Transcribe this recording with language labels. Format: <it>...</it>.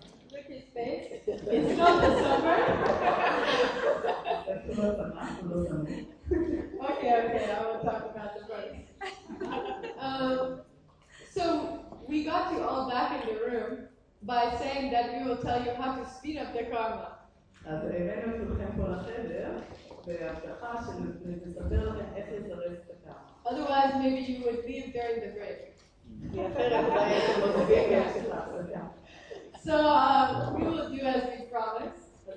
<en>Look his face. It's not the summer. Okay, I will talk about the price. So we got you all back in the room by saying that we will tell you how to speed up the karma.</en> <he>אז הבאנו את כולכם פה לחדר, בהבטחה שנספר לכם איך לזרז את הקרמה.</he> <en>Otherwise, maybe you would leave during the break. So we will do as we promised.</en>